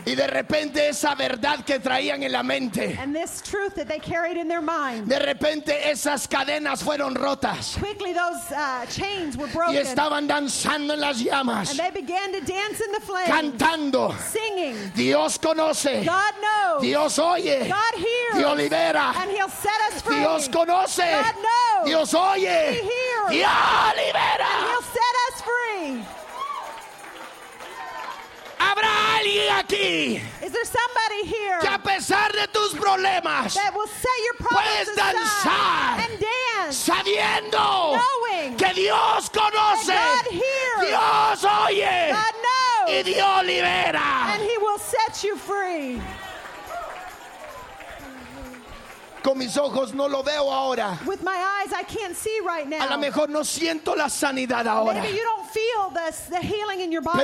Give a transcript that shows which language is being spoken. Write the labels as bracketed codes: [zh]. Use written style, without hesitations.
[es] Y de repente esa verdad que traían en la mente. [en] And this truth that they carried in their mind. [es] De repente esas cadenas fueron rotas. [en] Quickly those chains were broken. [es] Y estaban danzando en las llamas. [en] And they began to dance in the flames. [es] Cantando. [en] Singing. [es] Dios conoce. [en] God knows. [es] Dios oye. [en] God hears. [es] Dios libera. [en] And he'll set us free. [es] Dios conoce. [en] God knows. [es] Dios oye. [en] He hears. [es] Dios libera. [en] And he'll set us free. [es] ¿Habrá alguien aquí? [en] Is there somebody here? [es] Que a pesar de tus problemas, [en] that will set your problems [es] puedes danzar [en] aside and dance, [es] sabiendo, [en] knowing, [es] que Dios conoce, [en] that God hears, [es] Dios oye, [en] God knows, [es] y Dios libera, [en] and he will set you free. [es] Con mis ojos no lo veo ahora. [en] With my eyes, I can't see right now. [es] A lo mejor no siento la sanidad ahora. [en] Maybe you don't feel the healing in your body.